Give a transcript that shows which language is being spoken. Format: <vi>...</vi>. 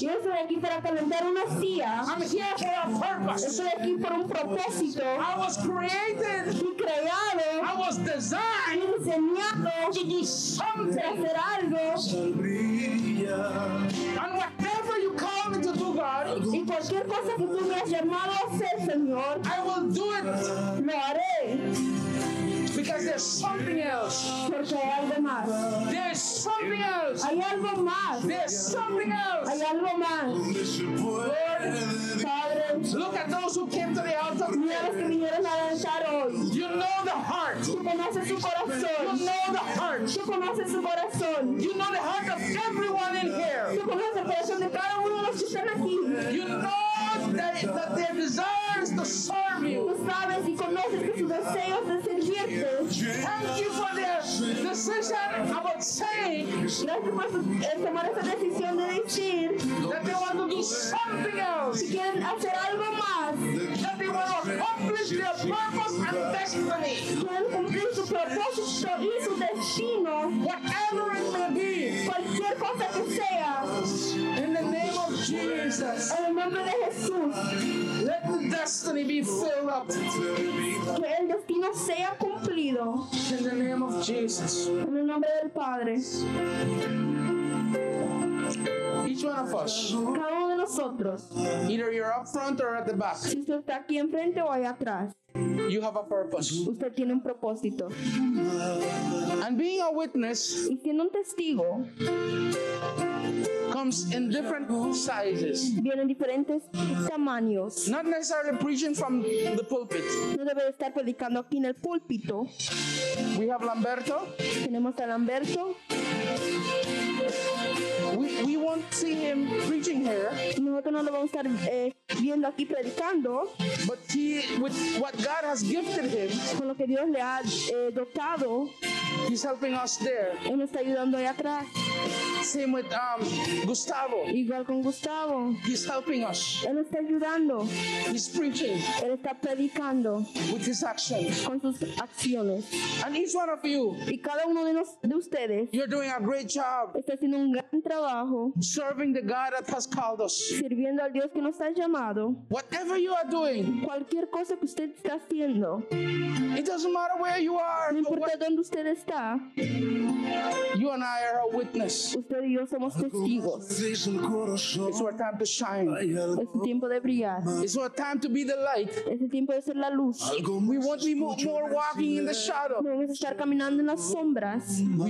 <es>Yo estoy aquí para calentar una silla.</es> <en>I'm here for a purpose.</en> <es>Estoy aquí por un propósito.</es> <en>I was created.</en> <es>Fui creado.</es> <en>I was designed.</en> <es>Fui diseñado.</es> <en>To do something.</en> <es>Para hacer algo.</es> <en>And whatever you call me to do, God,</en> <es>y cualquier cosa que tú me has llamado a hacer, Señor,</es> <en>I will do it.</en> <es>Lo haré.</es> <en>Because there's something else.</en> <es>Porque hay algo más.</es> <en>There's something else.</en> <es>Hay algo más.</es> <en>There's something else.</en> <es>Hay algo más. Padre,</es> <en>look at those who came to the altar.</en> <es>Mira los que vinieron a danzar hoy.</es> <en>You know the heart.</en> <es>Tú conoces su corazón.</es> <en>You know the heart.</en> <es>Tú conoces su corazón.</es> <en>You know the heart of everyone in here.</en> <es>Tú conoces el corazón de cada uno de los que están aquí.</es> <en>You know that their desire is to serve you.</en> <es>Tú sabes y conoces que sus deseos de servirte.</es> <en>Thank you for their decision about saying.</en> <es>Gracias por tomar esa decisión de decir</es> <en>that they want to do something else.</en> <es>Si quieren hacer algo más.</es> <en>That they want to accomplish their purpose and destiny.</en> <es>Quieren cumplir su propósito y su destino.</es> <en>Whatever it may be.</en> <es>Cualquier cosa que sea.</es> <en>In the</en> <es>Jesús.</es> <en>Let the destiny be filled up.</en> <es>Que el destino sea cumplido.</es> <en>In the name of Jesus.</en> <es>En el nombre del Padre.</es> <en>Each one of us.</en> <es>Cada uno de nosotros.</es> <en>Either you're up front or at the back.</en> <es>Si usted está aquí enfrente o allá atrás.</es> <en>You have a purpose.</en> <es>Usted tiene un propósito.</es> <en>And being a witness.</en> <es>Y siendo un testigo.</es> <en>Comes in different sizes.</en> <es>Viene en diferentes tamaños.</es> <en>Not necessarily preaching from the pulpit.</en> <es>No debe estar predicando aquí en el púlpito.</es> <en>We have Lamberto.</en> <es>Tenemos a Lamberto.</es> <en>We won't see him preaching here.</en> <es>Nosotros no lo vamos a estar viendo aquí predicando.</es> <en>But he, with what God has gifted him,</en> <es>con lo que Dios le ha dotado,</es> <en>he's helping us there.</en> <es>Él nos está ayudando allá atrás.</es> <en>Same with Gustavo.</en> <es>Igual con Gustavo.</es> <en>He's helping us.</en> <es>Él está ayudando.</es> <en>He's preaching.</en> <es>Él está predicando.</es> <en>With his actions.</en> <es>Con sus acciones.</es> <en>And each one of you.</en> <es>Y cada uno de ustedes.</es> <en>You're doing a great job.</en> <es>Está haciendo un gran trabajo.</es> <en>Serving the God that has called us.</en> <es>Sirviendo al Dios que nos ha llamado.</es> <en>Whatever you are doing.</en> <es>Cualquier cosa que usted está haciendo.</es> <en>It doesn't matter where you are.</en> <es>No importa dónde usted está.</es> <en>You and I are a witness.</en> <es>Usted y yo somos testigos.</es> <en>It's our time to shine.</en> <es>Es el tiempo de brillar.</es> <en>It's our time to be the light.</en> <es>Es el tiempo de ser la luz.</es> <en>We won't be more walking in the shadow.</en> <es>No vamos a estar caminando en las sombras.</es>